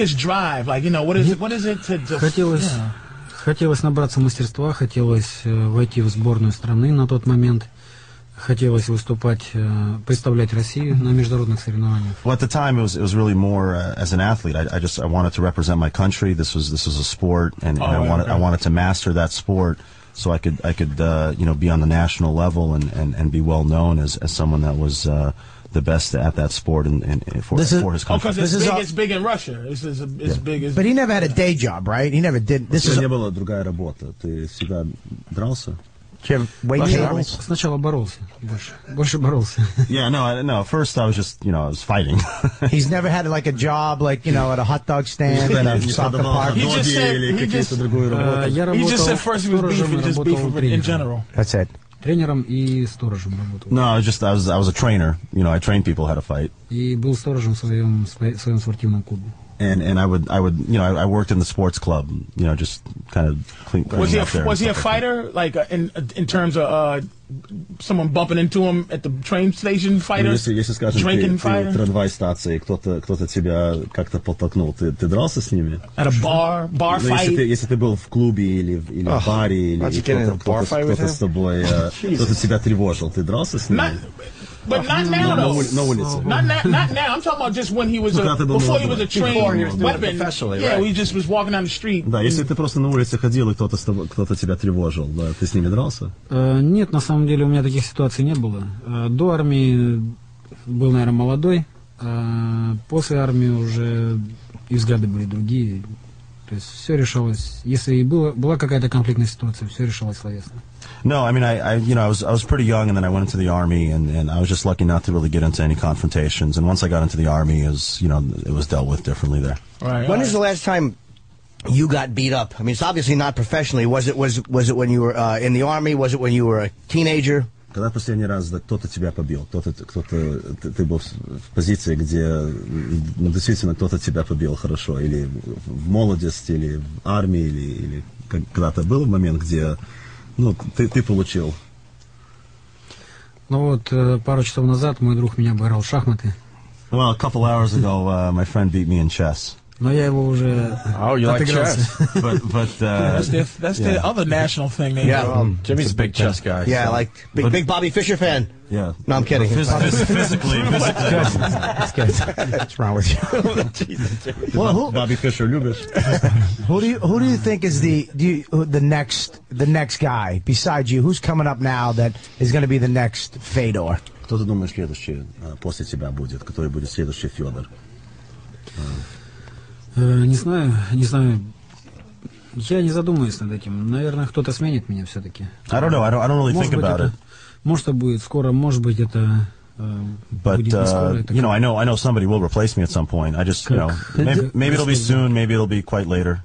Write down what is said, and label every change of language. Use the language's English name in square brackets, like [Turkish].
[English] Like it's drive, like, you know, what is it to just... [Russian] Хотелось набраться мастерства, хотелось войти в сборную страны на тот момент. Хотелось выступать, представлять Россию на международных соревнованиях. [English] Well, at the time, it was really more as an athlete. I wanted to represent my country. This was a sport, I wanted to master that sport so I could be on the national level and be well known as someone that was the best at that sport for his country. Because it's big in Russia. It's big as. But he never had a day job, right? He never did. This is. [Russian] У тебя была другая работа. Ты всегда дрался. Сначала боролся, больше боролся. [English] Yeah, no. At first, I was just, you know, I was fighting. He's never had like a job, like, you know, at a hot dog stand in soccer park. He just said first he was beefing, just beefing in general. That's it. [Russian] Тренером и сторожем работал. [English] No, I was a trainer. You know, I trained people how to fight. [Russian] И был сторожем в своем спортивном клубе. [English] And I would you know, I worked in the sports club, you know, just kind of clean. Was he a fighter, like in terms of someone bumping into him at the train station, fighter? [Russian] Ну, если скажем, [English] drinking fighter? [Russian] Трамвай станции, кто-то тебя как-то подтолкнул, ты дрался с ними? [English] At a bar fight? [Russian] Если ты был в клубе или в баре, или кто-то с тобой, кто-то тебя тревожил, ты дрался с ними? [English] But not now. I'm talking about just when he was before he was a trained weapon. Yeah, right. He just was walking down the street. [Russian] Да, если ты просто на улице ходил и кто-то тебя тревожил, да, ты с ними дрался? Нет, на самом деле у меня таких ситуаций не было. До армии был, наверное, молодой. После армии уже и взгляды были другие. То есть все решалось. Если и была какая-то конфликтная ситуация, все решалось словесно. [English] No, I mean, I was pretty young, and then I went into the army, and I was just lucky not to really get into any confrontations. And once I got into the army, it was dealt with differently there. Right. When is the last time you got beat up? I mean, it's obviously not professionally. Was it when you were in the army? Was it when you were a teenager? [Russian] Когда последний раз кто-то тебя побил? Кто-то ты был в позиции, где действительно кто-то тебя побил хорошо, или в молодости, или в армии, или когда-то был момент, где ну, ты получил. Ну вот, пару часов назад мой друг меня обыграл в шахматы. [English] Well, a couple hours ago, my friend beat me in chess. [Russian] Но я его уже отыгрался. [English] Like that's the other national thing. Maybe. Yeah, Jimmy's a big chess guy. Yeah, so. Like big Bobby Fischer fan. Yeah. No, I'm kidding. Physically. That's good. What's wrong with you? Jesus, well, Bobby Fischer, [Russian] любишь? [English] Who do you think is the next guy besides you? Who's coming up now that is going to be the next Fedor? [Russian] Кто ты думаешь, следующий после тебя будет? Который будет следующий Федор? Не знаю. Я не задумываюсь над этим. Наверное, кто-то сменит меня все-таки. [English] I don't know. I don't really think about it. [Russian] Может, это будет скоро, может быть, это [English] but, [Russian] будет не скоро. [English] You know, I know somebody will replace me at some point. I just, you know, maybe it'll be soon, maybe it'll be quite later.